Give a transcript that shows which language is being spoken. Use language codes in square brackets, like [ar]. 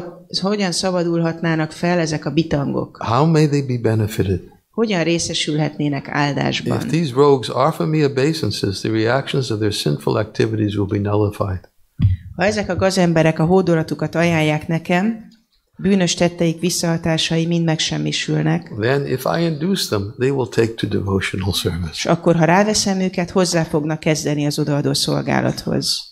[hu] Hogyan szabadulhatnának fel ezek a bitangok? [en] How may they be benefited? [hu] Hogyan részesülhetnének áldásban? [en] If these rogues offer me obeisances, the reactions of their sinful activities will be nullified. [hu] Ha ezek a gazemberek a hódolatukat ajánlják nekem, bűnös tetteik visszahatásai mind megsemmisülnek. [en] Then if I induce them, they will take to devotional service. [hu] S akkor ha ráveszem őket, hozzá fognak kezdeni az odaadó szolgálathoz.